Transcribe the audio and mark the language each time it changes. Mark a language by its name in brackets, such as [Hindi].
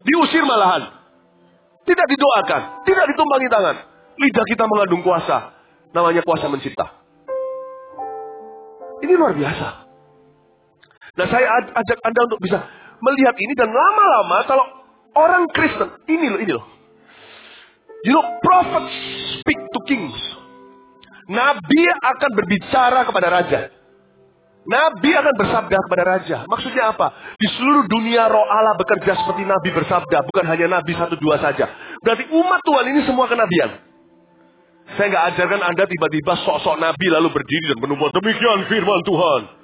[Indonesian] Diusir malahan. Tidak didoakan. Tidak ditumpangi tangan. Lidah kita mengandung kuasa. Namanya kuasa mencipta. Ini luar biasa. Nah saya ajak Anda untuk bisa melihat ini. Dan lama-lama kalau orang Kristen. Ini loh. [English] You know, prophets speak to kings. [Indonesian] Nabi akan berbicara kepada raja. Nabi akan bersabda kepada raja. Maksudnya apa? Di seluruh dunia roh Allah bekerja seperti nabi bersabda. Bukan hanya nabi satu dua saja. Berarti umat Tuhan ini semua kenabian. Saya gak ajarkan Anda tiba-tiba sok-sok nabi lalu berdiri dan menubuat demikian firman Tuhan.